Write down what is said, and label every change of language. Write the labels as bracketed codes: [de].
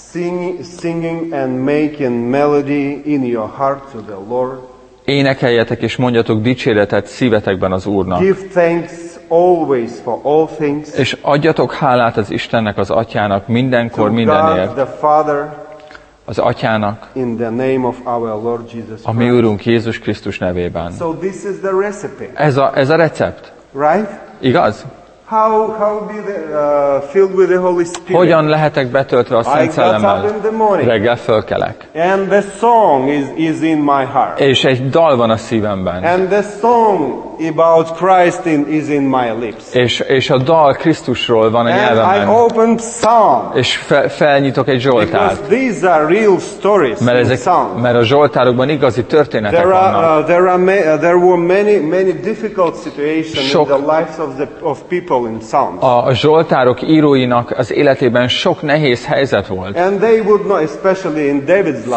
[en] Singing and making melody in your heart to the Lord. [hu] Énekeljetek és mondjatok dicséretet szívetekben az Úrnak. [en] Give thanks always for all things. [hu] És adjatok hálát az Istennek, az Atyának mindenkor, mindenért. [en] The Father, [hu] az Atyának, [en] in the name of our Lord Jesus, [hu] a mi Úrunk Jézus Krisztus nevében. [en] So this is the recipe. [hu] Ez a recept. [en] Right? [hu] Igaz? [en] How be the, filled with the Holy Spirit? [hu] Hogyan lehetek betöltve a Szent Szellemmel? Reggel fölkelek. [en] And the song is in my heart. [hu] És egy dal van a szívemben. [en] And the song about Christ is in my lips. [hu] És a dal Krisztusról van a nyelvemben. [en] And I open psalm. [hu] És felnyitok egy zsoltárt. [en] Because these are real stories. [hu] Mert a zsoltárokban igazi történetek vannak. [en] There were many difficult situations in the lives of people. [hu] A zsoltárok íróinak az életében sok nehéz helyzet volt. [en] And they would not, especially in David's life.